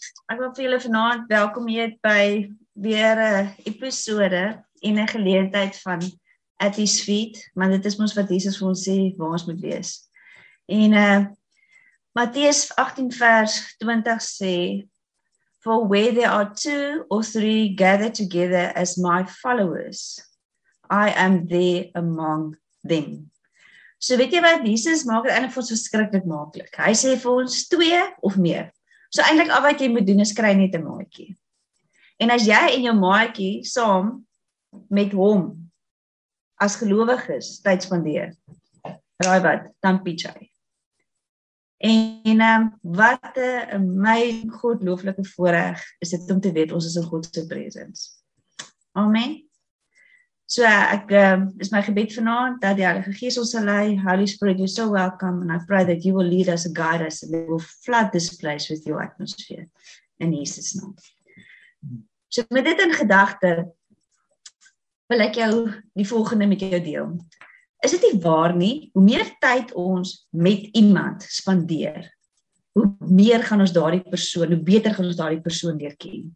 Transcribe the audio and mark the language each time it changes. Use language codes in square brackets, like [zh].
[af] Ek wil vir julle vanaand welkom heet by weer 'n episode en 'n geleentheid van At His Feet, maar dit is ons wat Jesus vir ons sê waar ons moet wees. En Matteus 18 vers 20 sê, [en] For where there are two or three gathered together as my followers, I am there among them. [af] So weet jy wat, Jesus maak dit eintlik vir ons verskriklik maklik. Hy sê vir ons twee of meer. So eintlik al wat jy moet doen is kry net 'n maatjie. En as jy en jou maatjie saam met hom as gelowiges tyd spandeer, raai wat, dan pitch hy. En wat 'n my godlooflike voorreg is dit om te weet ons is in God se presence. Amen. So ek is my gebed vanaand dat die Heilige Gees ons sal lei. [en] Holy Spirit, you're so welcome and I pray that you will lead us and guide us and will flood this place with your atmosphere in Jesus' name. [af] So met dit in gedagte wil ek jou die volgende met jou deel. Is dit nie waar nie, hoe meer tyd ons met iemand spandeer, hoe meer gaan ons daardie persoon, hoe beter gaan ons daardie persoon leer ken.